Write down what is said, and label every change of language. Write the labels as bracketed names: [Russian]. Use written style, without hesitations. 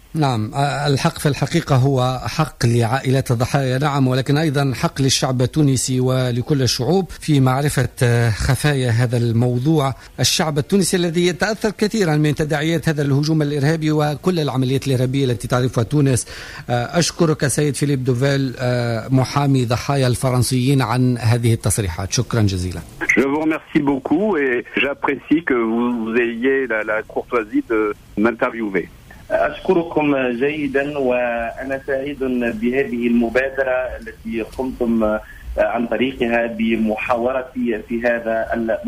[Arabic] نعم، الحق في الحقيقة هو حق لعائلات الضحايا، نعم، ولكن أيضا حق للشعب التونسي ولكل الشعوب في معرفة خفايا هذا الموضوع. الشعب التونسي الذي يتأثر كثيرا من تداعيات هذا الهجوم الإرهابي وكل العمليات الإرهابية التي تعرفها تونس. أشكرك سيد فيليب دوفيل محامي ضحايا الفرنسيين عن هذه التصريحات، شكرا جزيلا. [French] Je vous remercie beaucoup et j'apprécie que vous ayez la courtoisie de m'interviewer. [Arabic] أشكركم جيدا وأنا سعيد بهذه المبادرة التي قمتم عن طريقها بمحاورتي في هذا الموضوع.